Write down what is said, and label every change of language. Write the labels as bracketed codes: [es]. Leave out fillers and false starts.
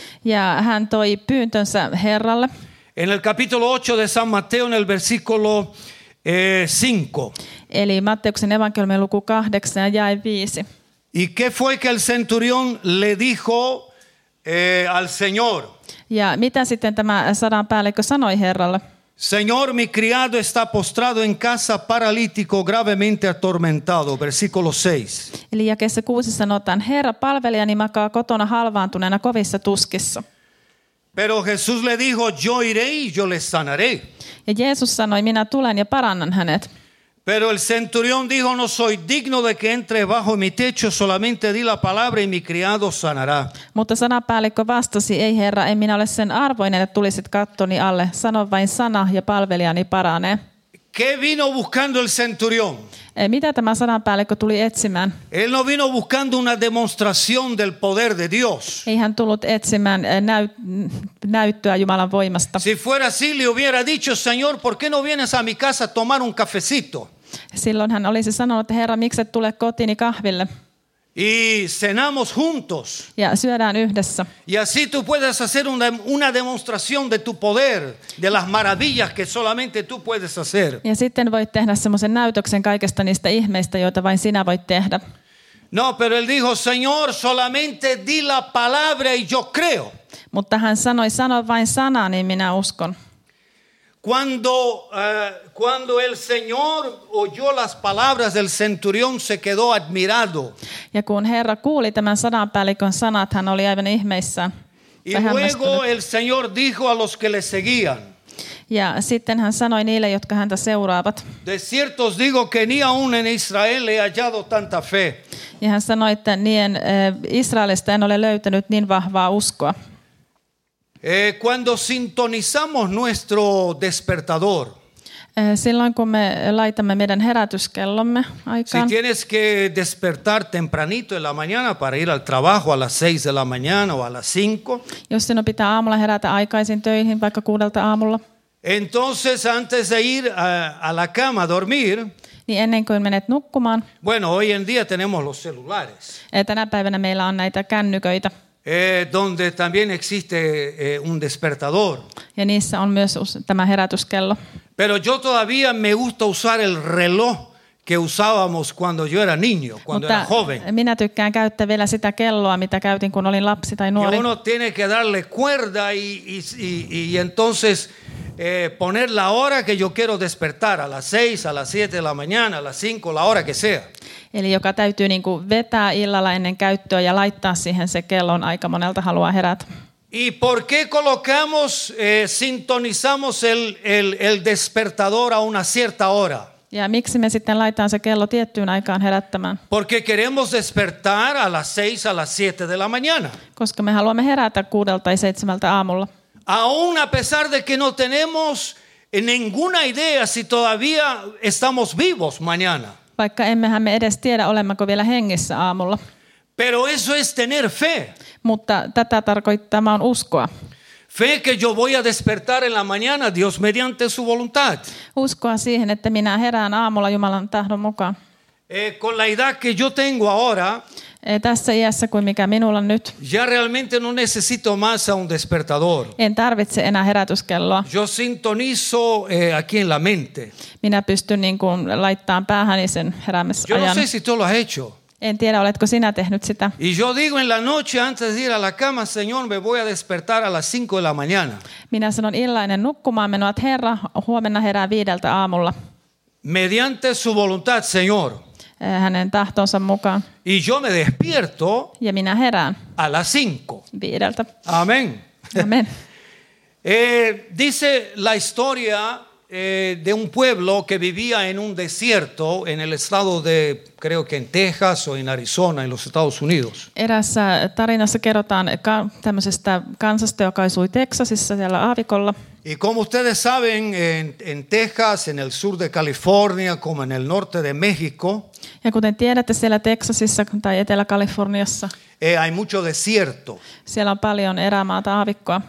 [fi] Ja hän toi pyyntönsä Herralle. [es] En el capítulo 8 de San Mateo, en el versículo 5. [fi] Eli Matteuksen evankeliumin luku 8 ja 5. [es] ¿Y qué fue que el centurión le dijo al Señor? [fi] Ja mitä sitten tämä sadan päällikkö sanoi Herralle? [es] Señor, mi criado está postrado en casa paralítico, gravemente atormentado. Versículo 6. [fi] Eli jakeessa 6 sanotaan, Herra, palvelijani makaa kotona halvaantuneena kovissa tuskissa. [es] Pero Jesús le dijo, yo iré y yo le sanaré. [fi] Ja Jeesus sanoi, minä tulen ja parannan hänet. [es] Pero el centurión dijo, no soy digno de que entre bajo mi techo, solamente di la palabra y mi criado sanará. [fi] Mutta sanapäällikkö vastasi, ei Herra, en minä ole sen arvoinen, että tulisit kattoni alle. Sano vain sana ja palvelijani paranee. [es] ¿Qué vino buscando el centurión? [fi] Mitä tämä sanapäällikkö tuli etsimään? [es] Él no vino buscando una demostración del poder de Dios. [fi] Ei hän tullut etsimään näyttöä Jumalan voimasta. [es] Si fuera así, le hubiera dicho, Señor, ¿por qué no vienes a mi casa a tomar un cafecito? [fi] Silloin hän olisi sanonut, että Herra, miksi et tule kotiini kahville? [es] Y cenamos juntos. [fi] Ja syödään yhdessä. [es] Y así tú puedes hacer una demostración de tu poder, de las maravillas que solamente tú puedes hacer. [fi] Ja sitten voit tehdä semmoisen näytöksen kaikesta niistä ihmeistä, joita vain sinä voit tehdä. [es] No, pero él dijo, Señor, solamente di la palabra y yo creo. [fi] Mutta hän sanoi, sano vain sana, niin minä uskon. [es] Cuando el Señor oyó las palabras del centurión se quedó admirado. [fi] Ja kun Herra kuuli tämän sanapäällikön sanat, hän oli aivan ihmeissään. [es] Y luego el Señor dijo a los que le seguían. [fi] Ja sitten hän sanoi niille, jotka häntä seuraavat. [es] De cierto os digo que ni aun en Israel he hallado tanta fe. [fi] Ja hän sanoi, että niin Israelista en ole löytänyt niin vahvaa uskoa. [es] Cuando sintonizamos nuestro despertador. [fi] Silloin kun me laitamme meidän herätyskellomme aikaan. [es] Si tienes que despertar tempranito en la mañana para ir al trabajo a las 6 de la mañana o a las 5. [fi] Jos sinun pitää aamulla herätä aikaisin töihin vaikka 6 aamulla. [es] Entonces antes de ir a la cama a dormir. [fi] Niin ennen kuin menet nukkumaan. [es] Bueno, hoy en día tenemos los celulares. [fi] Tänä päivänä meillä on näitä kännyköitä. [es] Donde también existe un despertador. [fi] Ja niissä on myös tämä herätyskello. [es] Pero yo todavía me gusta usar el reloj que usábamos cuando yo era niño, cuando [fi] mutta [es] era joven. [fi] Minä tykkään käyttää vielä sitä kelloa, mitä käytin, kun olin lapsi tai nuori. [es] Y uno tiene que darle cuerda y entonces poner la hora que yo quiero despertar, a las 6, a las 7 de la mañana, a las 5, la hora que sea. [fi] Eli joka täytyy niin kuin vetää illalla ennen käyttöä ja laittaa siihen se kellon, aika monelta haluaa herätä. [es] ¿Y por qué colocamos, sintonizamos el despertador a una cierta hora? [fi] Ja miksi me sitten laitetaan se kello tiettyyn aikaan herättämään? [es] Porque queremos despertar a las 6, a las 7 de la mañana. [fi] Koska me haluamme herätä 6 tai 7 aamulla. [es] Aún a pesar de que no tenemos ninguna idea si todavía estamos vivos mañana. [fi] Vaikka emmehän me edes tiedä, olemmeko vielä hengissä aamulla. [es] Pero eso es tener fe. [fi] Mutta tätä tarkoittaa, mä oon uskoa. [es] Fe que yo voy a despertar en la mañana, Dios mediante su voluntad. [fi] Uskoa siihen, että minä herään aamulla Jumalan tahdon mukaan. [es] Con la edad que yo tengo ahora, [fi] tässä iässä kuin mikä minulla nyt, [es] ya realmente no necesito más a un despertador. [fi] En tarvitse enää herätyskelloa. [es] Yo sintonizo aquí en la mente. [fi] Minä pystyn niin kuin laittamaan päähäni sen heräämisajan. [es] Yo no sé si tú lo has hecho. [fi] En tiedä, oletko sinä tehnyt sitä. [es] Y yo digo en la noche antes de ir a la cama, Señor, me voy a despertar a las 5 de la mañana. [fi] Minä sanon illainen nukkumaan menoa, että Herra, huomenna herää 5 aamulla. [es] Mediante su voluntad, Señor. [fi] Hänen tahtonsa mukaan. [es] Y yo me despierto. [fi] Ja minä herään. [es] A las 5. [fi] 5. [es] Amén. Amén. Dice la historia de un pueblo que vivía en un desierto en el estado de, creo que en Texas o en Arizona, en los Estados Unidos. [fi] Erässä tarinassa kerrotaan tämmöisestä kansasta, joka asui Texasissa siellä aavikolla. [es] Y como ustedes saben, en Texas, en el sur de California, como en el norte de México. [fi] Ja kuten tiedätte, siellä Texasissa tai Etelä-Kaliforniassa. [es] Hay mucho desierto. [fi] Siellä on paljon erämaata, aavikkoa.